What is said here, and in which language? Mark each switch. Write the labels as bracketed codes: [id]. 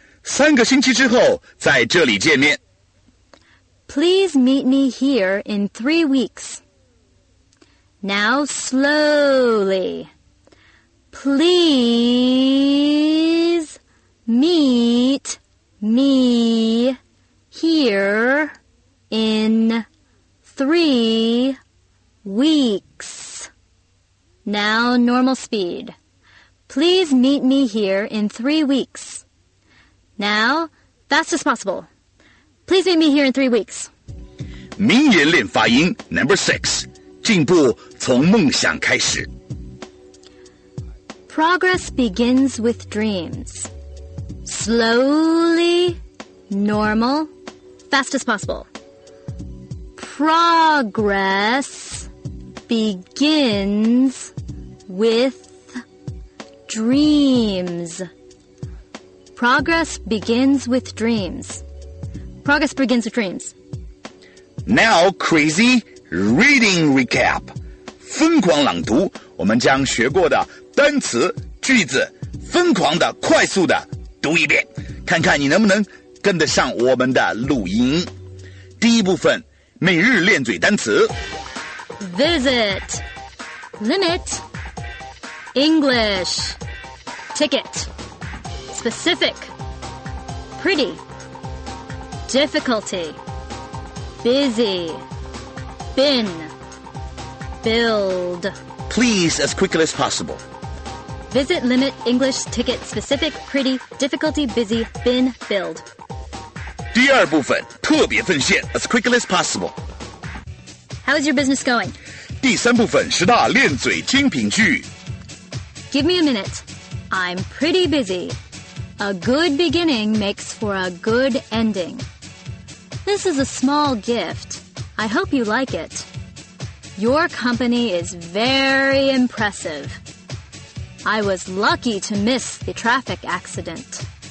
[zh] 三个星期之后在这里见面。 [en] Please meet me here in 3 weeks. Now slowly. Please meet me here in 3 weeks. Now normal speed. Please meet me here in 3 weeks. Now, fast as possible. Please meet me here in 3 weeks. [zh] 名言练发音 [en] number 6. [zh] 进步从梦想开始。 [en] Progress begins with dreams. Slowly, normal, fast as possible. Progress begins with dreams. Progress begins with dreams. Progress begins with dreams. Now, crazy reading recap. [zh] 疯狂朗读，我们将学过的单词、句子疯狂的、快速的读一遍，看看你能不能跟得上我们的录音。第一部分，每日练嘴单词。 [en] Visit, limit, English, ticket, specific, pretty, difficulty, busy, bin, build. Please, as quickly as possible. Visit, limit, English, ticket, specific, pretty, difficulty, busy, bin, build. [zh] 第二部分，特别奉献 [en] as quickly as possible. How is your business going? [zh] 第三部分，十大练嘴精品句。 [en] Give me a minute. I'm pretty busy. A good beginning makes for a good ending. This is a small gift. I hope you like it. Your company is very impressive. I was lucky to miss the traffic accident.